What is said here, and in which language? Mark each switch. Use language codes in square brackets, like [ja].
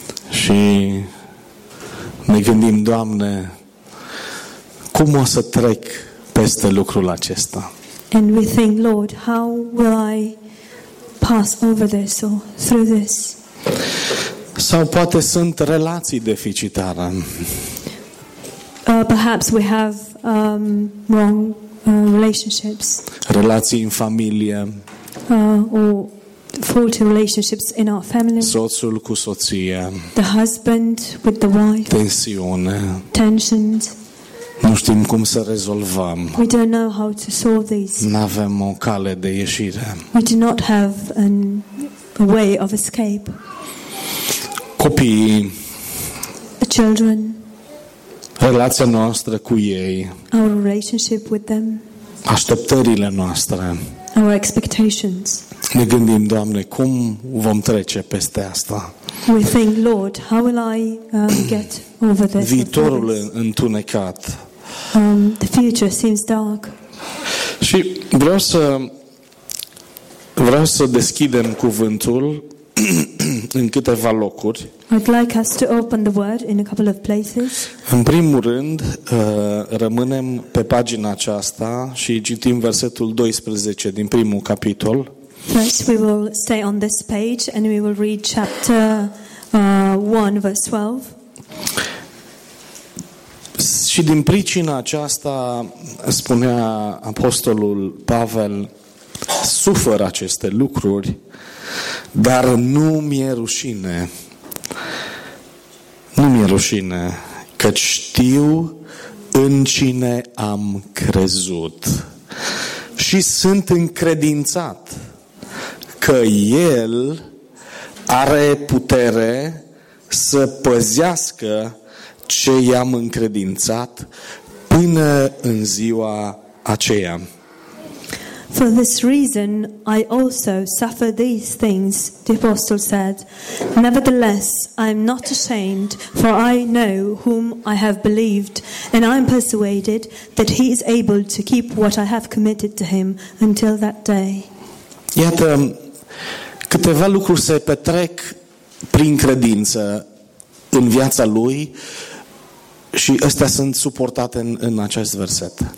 [ro] Și ne gândim, Doamne, cum o să trec peste lucrul acesta? [en] And we think, Lord, how will I pass over this or through this? [ro] Sau poate sunt relații deficitare. [en] Perhaps we have wrong relationships. [ro] Relații în familie. [en] Or faulty relationships in our family. [ro] Soțul cu soția. [en] The husband with the wife. [ro] Tensiune. [en] Tensions. [ro] Nu știm cum să rezolvăm. [en] We don't know how to solve these. [ro] N-avem o cale de ieșire. [en] We do not have a way of escape. [ro] Copiii. [en] The children. [ro] Relația noastră cu ei. [en] Our relationship with them. [ro] Așteptările noastre. [en] Our expectations. [ro] Ne gândim, Doamne, cum vom trece peste asta? [en] We think, Lord, how will I get over this? [ro] Viitorul întunecat. [en] The future seems dark. [ro] Și vreau să deschidem cuvântul în câteva locuri. [en] I'd like us to open the word in a couple of places. [ro] În primul rând, rămânem pe pagina aceasta și citim versetul 12 din primul capitol. [en] First, we will stay on this page and we will read chapter 1, verse 12. [ro] Și din pricina aceasta, spunea apostolul Pavel, sufăr aceste lucruri, dar nu mi-e rușine. Nu mi-e rușine, căci știu în cine am crezut și sunt încredințat că El are putere să păzească ce i-am încredințat până în ziua aceea. [en] For this reason, I also suffer these things, the apostle said. Nevertheless, I am not ashamed, for I know whom I have believed, and I am persuaded that he is able to keep what I have committed to him until that day. [ro] Iată, câteva lucruri se petrec prin credință în viața lui și astea sunt suportate în acest verset.